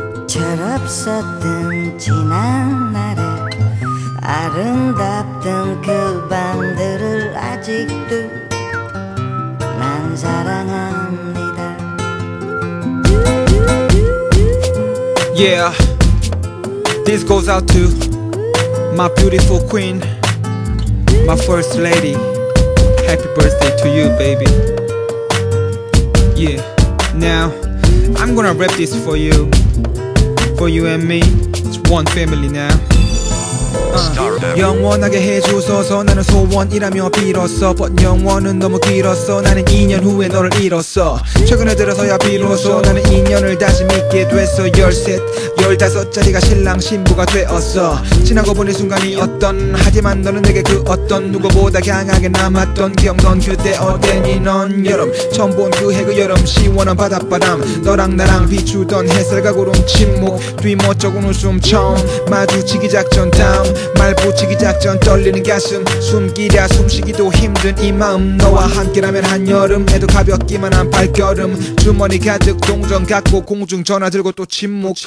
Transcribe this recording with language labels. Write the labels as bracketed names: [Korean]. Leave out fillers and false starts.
[Korean] 철없었던 지난 날에 아름답던 그 밤들을 아직도 난 사랑합니다. [English] Yeah, this goes out to my beautiful queen, my first lady. Happy birthday to you, baby. Yeah, now I'm gonna rap this for you. For you and me, it's one family now. [Korean] 영원하게 해주소서 나는 소원이라며 빌었어 But 영원은 너무 길었어 나는 2년 후에 너를 잃었어 최근에 들어서야 비로소 나는 인연을 다시 믿게 됐어 열셋 열다섯짜리가 신랑 신부가 되었어 지나고 보니 순간이었던 하지만 너는 내게 그 어떤 누구보다 강하게 남았던 기억 넌 그때 어땠니 넌 여름 처음 본 그해 그 여름 시원한 바닷바람 너랑 나랑 비추던 햇살과 구름 침묵 뒤 멋쩍은 웃음 처음 마주치기 작전 다음 말 붙이기 작전 떨리는 가슴 숨기랴 숨쉬기도 힘든 이 마음 너와 함께라면 한여름에도 가볍기만 한 발걸음 주머니 가득 동전 갖고 공중 전화 들고 또 침묵